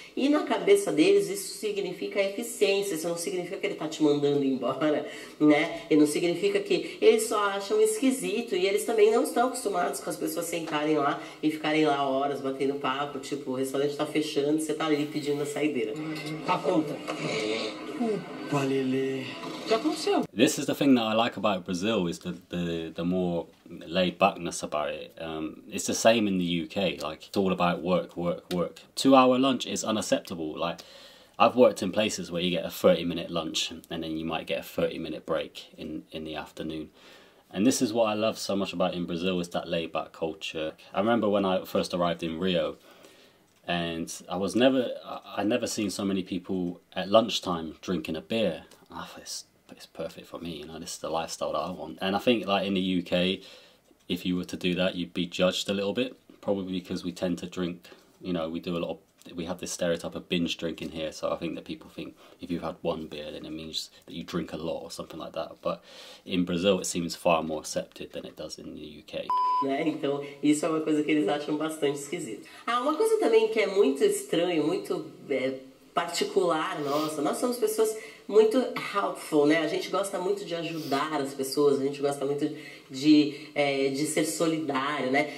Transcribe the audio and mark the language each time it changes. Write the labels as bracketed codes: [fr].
[pt] E na cabeça deles, isso significa eficiência, isso não significa que ele está te mandando embora, né? E não significa que eles só acham esquisito e eles também não estão acostumados com as pessoas sentarem lá e ficarem lá horas batendo papo, tipo, o restaurante está fechando, você está ali pedindo a saideira. A conta. Valele. [en] This is the thing that I like about Brazil is the more laid backness about it. It's the same in the UK. Like it's all about work, work, work. 2 hour lunch is unacceptable. Like I've worked in places where you get a 30-minute lunch and then you might get a 30-minute break in the afternoon. And this is what I love so much about in Brazil is that laid back culture. I remember when I first arrived in Rio. And I never seen so many people at lunchtime drinking a beer. I thought it's perfect for me, you know, this is the lifestyle that I want. And I think like in the UK, if you were to do that, you'd be judged a little bit, probably because we tend to drink, you know, we have this stereotype of binge drinking here. So I think that people think if you've had one beer, then it means that you drink a lot or something like that. But in Brazil, it seems far more accepted than it does in the UK. [pt] Né? Então, isso é uma coisa que eles acham bastante esquisito. Ah, uma coisa também que é muito estranho, muito particular, nossa, nós somos pessoas muito helpful, né? A gente gosta muito de ajudar as pessoas, a gente gosta muito de ser solidário, né?